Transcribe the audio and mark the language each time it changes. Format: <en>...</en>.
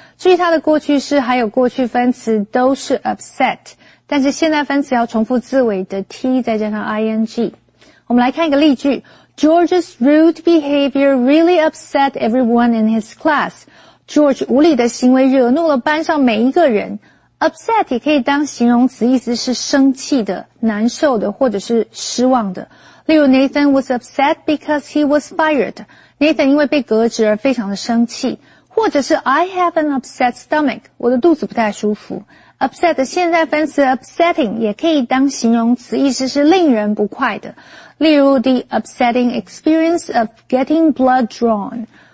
<zh>注意它的过去式还有过去分词都是 upset， 但是现在分词要重复字尾的 t 再加上 ing。我们来看一个例句</zh> <en>：George's rude behavior really upset everyone in his class.</en> <zh>George 无理的行为惹怒了班上每一个人。 Upset 也可以当形容词，意思是生气的、难受的或者是失望的。例如</zh> <en>Nathan was upset because he was fired.</en> <zh>Nathan 因为被革职而非常的生气。或者是</zh> <en>I have an upset stomach.</en> <zh>我的肚子不太舒服。Upset 的现在分词 upsetting 也可以当形容词，意思是令人不快的。例如</zh> <en>The upsetting experience of getting blood drawn.</en>